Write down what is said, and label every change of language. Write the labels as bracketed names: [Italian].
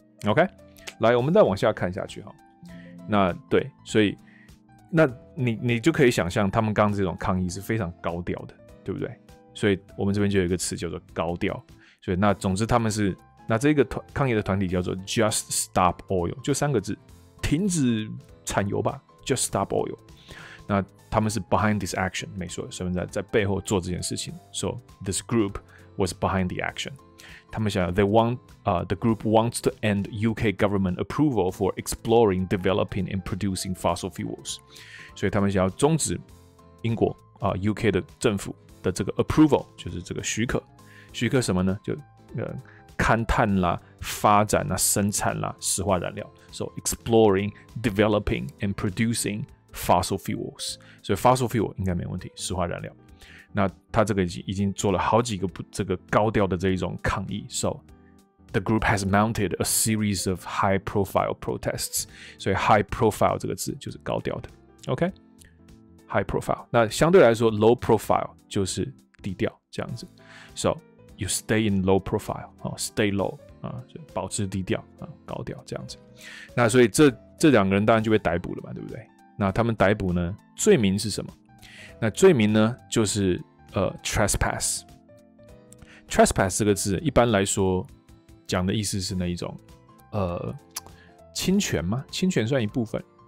[Chinese] OK， 来我们再往下看下去，那对，所以那 你就可以想象他们刚这种抗议是非常高调的，对不对？所以我们这边就有一个词叫做高调，所以那总之他们是，那这个抗议的团体叫做 Just Stop Oil， 就三个字，停止产油吧， Just Stop Oil。那他们是 [English] behind this action， [Chinese] 没错，所以 在背后做这件事情， [English] so this group was behind the action。 [Chinese] 他们想 [English] they want,the group wants to end UK government approval for exploring, developing and producing fossil fuels， [Chinese] 所以他们想要终止英国、UK 的政府的这个 approval， 就是这个许可，许可什么呢？就勘探啦，发展啦，生产啦，石化燃料。 [English] So exploring, developing and producing fossil fuels。 [Chinese] 所以 fossil fuel 应该没问题，石化燃料。那他这个已经做了好几个这个高调的这一种抗议。 [English] So the group has mounted a series of high profile protests。 [Chinese] 所以 high profile 这个字就是高调的。 [English] OK， high profile。 [Chinese] 那相对来说 low profile 就是低调这样子。 [English] So you stay in low profile，stay low， [Chinese] 保持低调，高调这样子。那所以这两个人当然就被逮捕了嘛，对不对？那他们逮捕呢，罪名是什么？那罪名呢，就是trespass。 trespass 这个字一般来说讲的意思是那一种侵权吗？侵权算一部分。